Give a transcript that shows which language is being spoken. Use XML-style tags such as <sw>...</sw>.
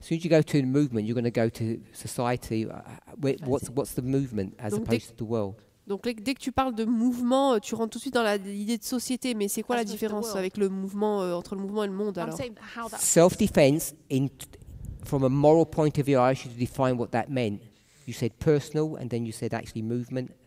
<en>As soon as you go to the movement, you're going to go to society. What's the movement as</en> <fr>donc</fr> <en>opposed to the world?</en> <fr>Donc dès que tu parles de mouvement, tu rentres tout de suite dans l'idée de société. Mais c'est quoi la différence avec le mouvement entre le mouvement et le monde alors?</fr> <en>Self-defense, from a moral point of view, I asked you to define what that meant. You said personal, and then you said actually movement.</en>